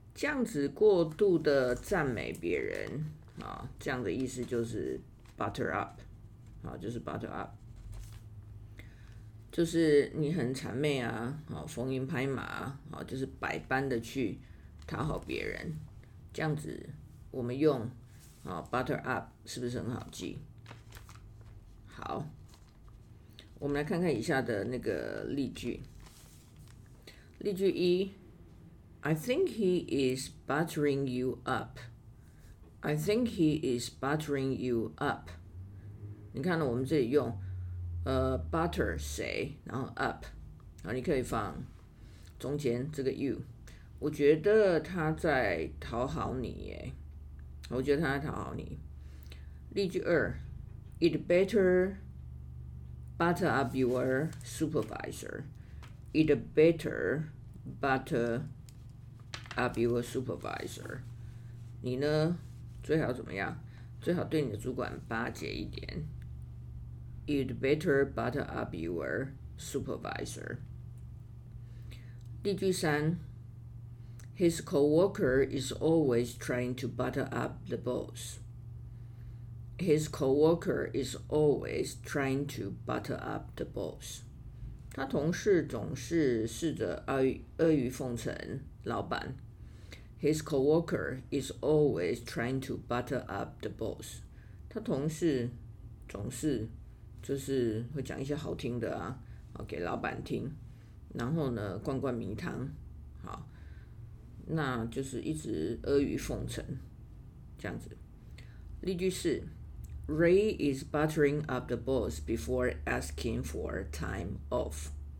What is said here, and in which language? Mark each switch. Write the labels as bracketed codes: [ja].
[zh] 这样子过度的赞美别人，这样的意思就是 butter up， 就是 butter up， 就是你很谄媚啊，逢迎拍马，就是百般的去讨好别人。这样子我们用 butter up 是不是很好记？好，我们来看看以下的那个例句。例句一 [en] ，I think he is buttering you up. I think he is buttering you up. [zh] 你看呢？我们这里用butter 谁，然后 up， 然后你可以放中间这个 you。我觉得他在讨好你耶，我觉得他在讨好你。例句二 [en] ，It better。Butter up your supervisor. It better butter up your supervisor. [zh] 你呢？最好怎么样？最好对你的主管巴结一点。 [en] It better butter up your supervisor. [zh] 例句三 [en] ，His coworker is always trying to butter up the boss. His coworker is always trying to butter up the boss. [zh] 他同事总是试着阿谀奉承老板。 [en] His coworker is always trying to butter up the boss. [zh] 他同事总是就是会讲一些好听的啊，给老板听，然后呢灌灌迷汤，好，那就是一直阿谀奉承这样子。例句四。 [en] Ray is buttering up the boss before asking for time off.